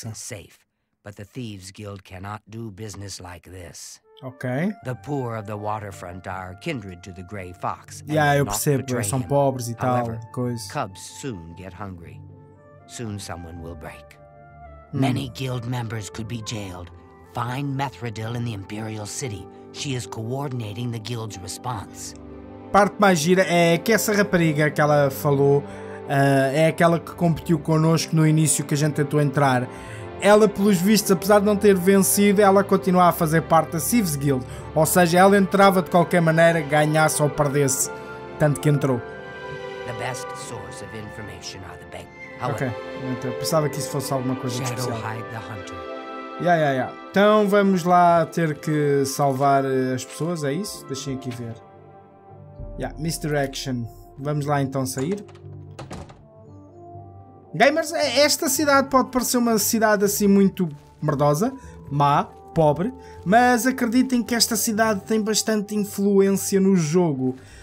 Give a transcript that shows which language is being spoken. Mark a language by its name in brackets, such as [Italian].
[English] The fox is safe, but the Thieves Guild cannot do business like this. Ok. The poor of the waterfront are kindred to the Grey Fox. [Portuguese] Eu percebo, eles são pobres e tal, coisa. [English] Cubs soon get hungry. Soon someone will break. Many guild members could be jailed. Find Methradil in the Imperial City. She is coordinating the guild's response. [Portuguese] Parte mais gira é que essa rapariga que ela falou é aquela que competiu connosco no início, que a gente tentou entrar. Ela, pelos vistos, apesar de não ter vencido, ela continua a fazer parte da Thieves Guild. Ou seja, ela entrava de qualquer maneira, ganhasse ou perdesse. Tanto que entrou. [English] The best source of information are the bank. [Portuguese] Ok, então, pensava que isso fosse alguma coisa [English] Shadow [Portuguese] especial. [English] Hide the hunter. [Portuguese] Então vamos lá ter que salvar as pessoas, é isso? Deixem aqui ver. Misdirection. Vamos lá então sair. Gamers, esta cidade pode parecer uma cidade assim muito merdosa, má, pobre, mas acreditem que esta cidade tem bastante influência no jogo.